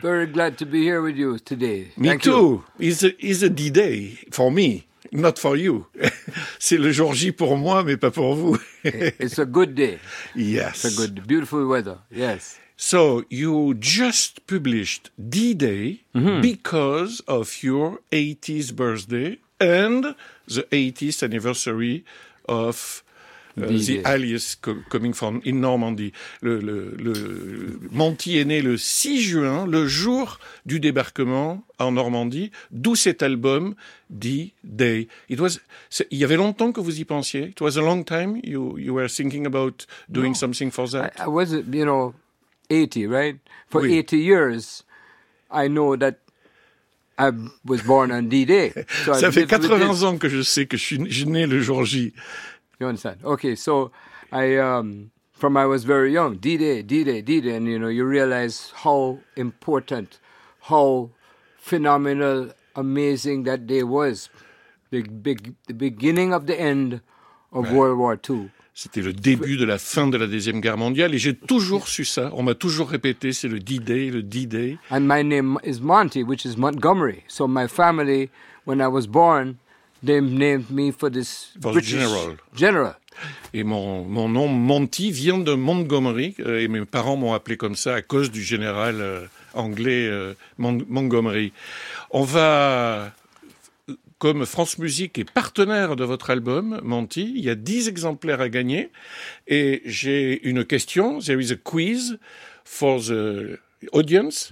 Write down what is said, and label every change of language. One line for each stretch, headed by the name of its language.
English: I am very glad to be here with you today. Me Thank too. It's a D-Day for me, not for you.
French: C'est le jour J pour moi, mais pas pour vous.
English: It's a good day. Yes. It's a good, beautiful weather. Yes. So you just published D-Day because of your 80th birthday and the 80th anniversary of... The alias coming from in Normandy.
French: Le Monty est né le 6 juin, le jour du débarquement en Normandie, d'où cet album D-Day. Il y avait longtemps que vous y pensiez.
English: It was a long time you were thinking about doing something for that. I was, you know, 80, right? For 80 years, I know that I was born on D-Day.
French: So ça fait 80 ans que je sais que je suis né le jour J.
English: You understand? Okay, so from I was very young, D-Day, D-Day, D-Day, and you know, you realize how important, how phenomenal, amazing that day was. The beginning of the end of World War II.
French: C'était le début de la fin de la Deuxième Guerre mondiale, et j'ai toujours su ça. On m'a toujours répété, c'est le D-Day, le D-Day.
English: And my name is Monty, which is Montgomery. So my family, when I was born, they named me for this for British general. General.
French: Et mon nom Monty vient de Montgomery, et mes parents m'ont appelé comme ça à cause du général anglais Montgomery. On va, comme France Musique est partenaire de votre album, Monty, il y a 10 exemplaires à gagner, et j'ai une question,
English: there is a quiz for the audience.